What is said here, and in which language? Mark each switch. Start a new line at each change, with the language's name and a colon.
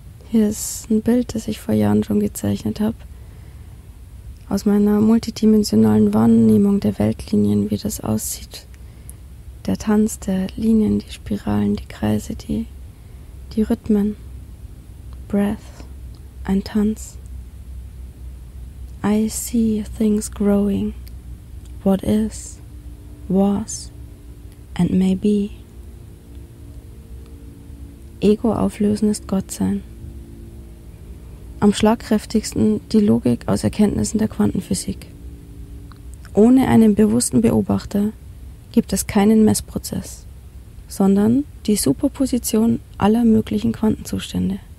German: Hier ist ein Bild, das ich vor Jahren schon gezeichnet habe. Aus meiner multidimensionalen Wahrnehmung der Weltlinien, wie das aussieht. Der Tanz der Linien, die Spiralen, die Kreise, die Rhythmen. Breath, ein Tanz.
English: I see things growing, what is, was, and may be.
German: Ego auflösen ist Gott sein. Am schlagkräftigsten die Logik aus Erkenntnissen der Quantenphysik. Ohne einen bewussten Beobachter gibt es keinen Messprozess, sondern die Superposition aller möglichen Quantenzustände.